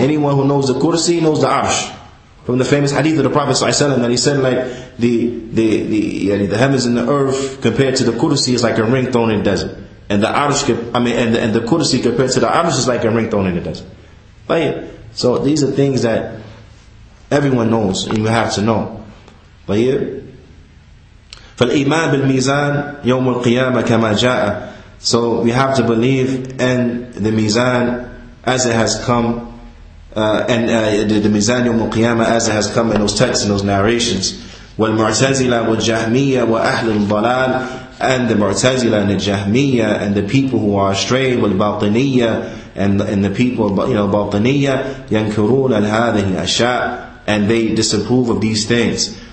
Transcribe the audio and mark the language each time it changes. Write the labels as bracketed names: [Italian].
[English] Anyone who knows the Kursi knows the arsh. From the famous hadith of the Prophet ﷺ, that he said, like the heavens and the earth compared to the Kursi is like a ring thrown in the desert. And the arsh, the Kursi compared to the arsh is like a ring thrown in the desert. Like, so these are things that everyone knows and you have to know. Like, [Arabic] فالإيمان بالميزان يوم القيامة كما جاء. [English] So we have to believe in the mizan as it has come, and the mizan yawm al-qiyamah as it has come in those texts and those narrations. [Arabic] Wal mu'tazila wal jahmiyyah wa ahl al-dalal, [English] and the mu'tazila and the jahmiyyah and the people who are astray, [Arabic] wal batiniyyah [English] and the people, you know, batiniyyah, [Arabic] yankurun al-hadhihi al-ashya', [English] and they disapprove of these things.